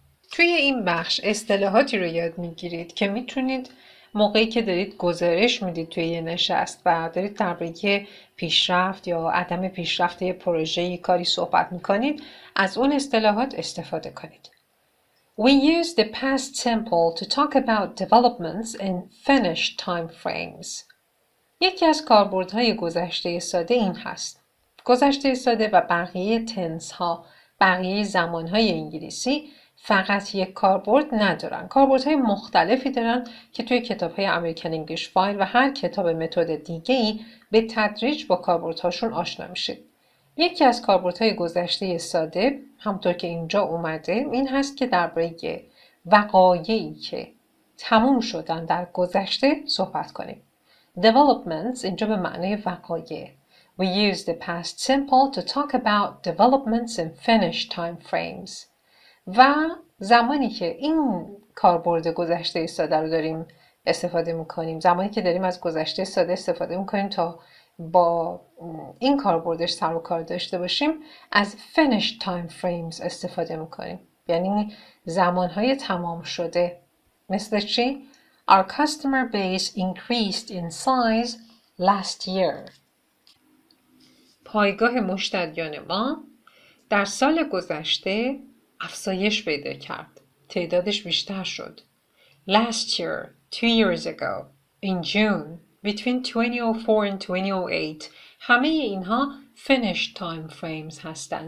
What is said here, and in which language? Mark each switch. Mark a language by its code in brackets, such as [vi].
[fa] توی این بخش اصطلاحاتی رو یاد میگیرید که میتونید موقعی که دارید گزارش میدید توی یه نشست و دارید درباره پیشرفت یا عدم پیشرفت یه پروژه یه کاری صحبت میکنید از اون اصطلاحات استفاده کنید. [en] We use the past simple to talk about developments in finished time frames. [fa] یکی از کاربردهای گذشته ساده این هست. گذشته ساده و بقیه تنس ها، بقیه زمان های انگلیسی، فقط یک کاربرد ندارن. کاربردهای مختلفی دارن که توی کتاب‌های American English File و هر کتاب متد دیگه‌ای به تدریج با کاربردهاشون آشنا میشید. یکی از کاربردهای گذشته ساده همونطور که اینجا اومده این هست که درباره وقایعی که تموم شدن در گذشته صحبت کنیم. Developments اینجا به معنی وقایع. [en] We use the past simple to talk about developments in finished time frames. [fa] و زمانی که این کاربرد گذشته ساده رو داریم استفاده میکنیم، زمانی که داریم از گذشته ساده استفاده میکنیم تا با این کاربردش سر و کار داشته باشیم، از [en] finish time frames [fa] استفاده میکنیم، یعنی زمانهای تمام شده. مثل چی؟ [en] Our customer base increased in size last year. [fa] پایگاه مشتریان ما در سال گذشته افزایش پیدا کرد. تعدادش بیشتر شد. [en] Last year, 2 years ago, in June, between 2004 and 2008, [fa] همه اینها [en] finished time frames [fa] هستن.